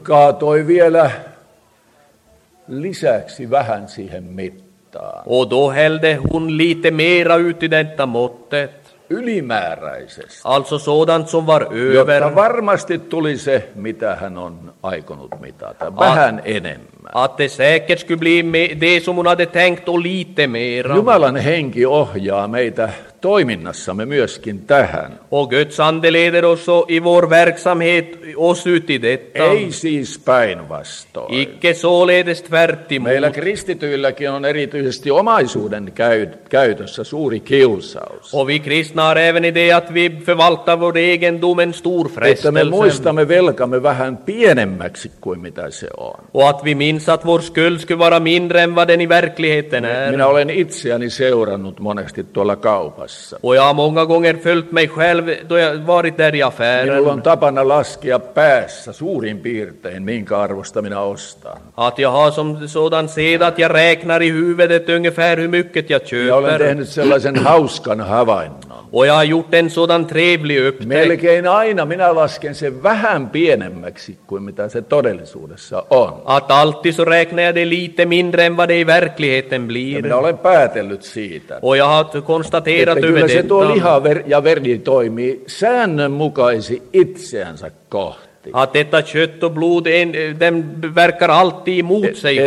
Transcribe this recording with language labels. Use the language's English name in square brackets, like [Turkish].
[Finnish] Kaatoi vielä lisäksi vähän siihen mittaan. [Swedish] Och då hällde hon lite mera ut i detta måttet. [Finnish] ylimääräisesti. [Swedish] Alltså sådant som var över. [Finnish] Jotta varmasti tuli se, mitä hän on aikonut mitata. Vähän enemmän. [Swedish] Att det säkert skulle bli det som hon hade tänkt och lite mera. [Finnish] Jumalan henki ohjaa meitä toiminnassamme myöskin tähän. [Swedish] Och Guds ande leder oss i vår verksamhet oss ut i detta. [Finnish] Ei siis päinvastoin. [Swedish] Icke således tvärtimot. [Finnish] Meillä kristityilläkin on erityisesti omaisuuden käytössä suuri kiusaus. [Swedish] Och vi kristna har även i det att vi förvaltar vår egendom en stor frestelse. [Finnish] Että me muistamme velkamme vähän pienemmäksi kuin mitä se on. [Swedish] Och att vi minns att vår skuld skulle vara mindre än vad den i verkligheten är. [Finnish] Minä olen itseäni seurannut monesti tuolla kaupassa. [Swedish] Och jag har många gånger följt mig själv då jag varit där i affären. [Finnish] Minulla on tapana laskea päässä suurin piirtein, minkä arvosta minä ostan. [Swedish] Att jag har som sådan sed att jag räknar i huvudet ungefär hur mycket jag köper. [Finnish] Jag olen tehnyt sellaisen hauskan havainnon. [Swedish] Och jag har gjort en sådan trevlig upptäck. [Finnish] Melkein aina minä lasken sen vähän pienemmäksi kuin mitä se todellisuudessa on. [Swedish] Att alltid så räknar jag det lite mindre än vad det i verkligheten blir. [Finnish] Ja minä olen päätellyt siitä. [Swedish] Och jag har konstaterat. [Finnish] Että kyllä se tuo liha ja veri toimii säännönmukaisi itseänsä kohti. [Swedish] Att detta kött och blod den verkar alltid emot sig själv.